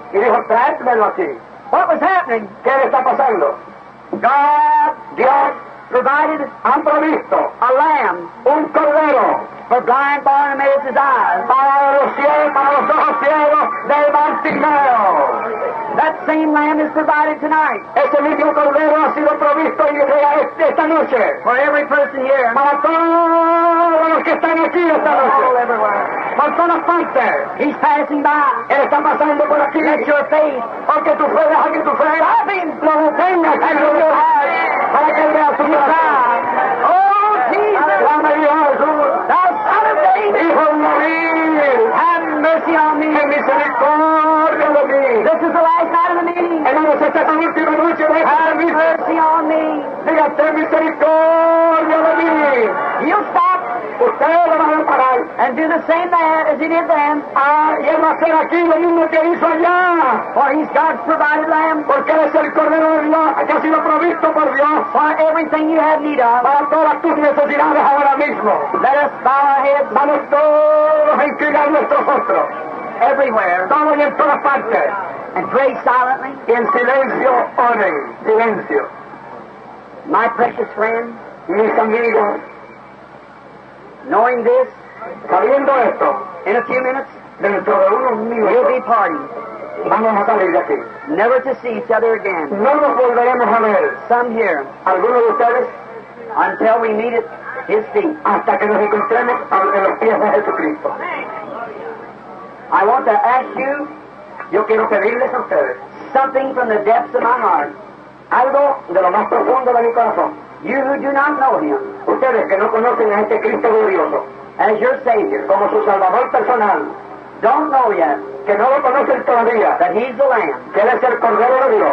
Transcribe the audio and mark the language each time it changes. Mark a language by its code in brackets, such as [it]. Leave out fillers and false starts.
[es] Y dijo, tráemelo aquí. [en] What was happening? [es] ¿Qué le está pasando? [en] God. [es] Dios. [en] Provided. [es] Han provisto. [en] A lamb. [es] Un cordero. [en] For blind Bartimaeus' eyes. [es] Para los ojos ciegos de Bartimaeo. [en] That same lamb is provided tonight. [es] Ese mismo cordero ha sido provisto esta noche. [en] For every person here. [es] Para todos los que están aquí esta noche. Para todas partes. [en] He's passing by. [es] Él está pasando por aquí. [en] Let your faith. [es] Porque tu fe, deja que tu fe. [en] Stop him. [es] Lo detenga. Para que él vea su vida. [en] Oh, Jesus. [es] Dame Dios, Jesús. Hijo mío, [en] have mercy on me. [es] Ten misericordia de mí. [en] This is the last night of the meeting. [es] Hermanos, esta es la última noche. [en] Have mercy on me. [es] Diga, ten misericordia de mí. [en] You stop. [es] Ustedes lo van a parar. [en] And do the same that as he did then. [es] Y él va a hacer aquí lo mismo que hizo allá. [en] For he's God's provided lamb. [es] Porque él es el cordero de Dios que ha sido provisto por Dios. [en] For everything you have need of. [es] Para todas tus necesidades ahora mismo. [en] Let us bow our heads. [es] Vamos todos a inclinar nuestros rostros. [en] Everywhere. [es] Todo y en todas partes. [en] And pray silently. [es] Y en silencio oren. Silencio. [en] My precious friend. [es] Mis amigos. [en] Knowing this, [es] sabiendo esto, [en] in a few minutes, [es] dentro de unos minutos, [en] you'll be pardoned. [es] Vamos a salir de aquí. [en] Never to see each other again. [es] No nos volveremos a ver. [en] Some here. [es] Algunos de ustedes. [en] Until we meet at his feet. [es] Hasta que nos encontremos en los pies de Jesucristo. [en] I want to ask you. [es] Yo quiero pedirles a ustedes. [en] Something from the depths of my heart. [es] Algo de lo más profundo de mi corazón. [en] You who do not know him. [es] Ustedes que no conocen a este Cristo glorioso. [en] As your Savior. [es] Como su Salvador personal. [en] Don't know yet. [es] Que no lo conocen todavía. [en] That he's the Lamb. [es] Que él es el Cordero de Dios.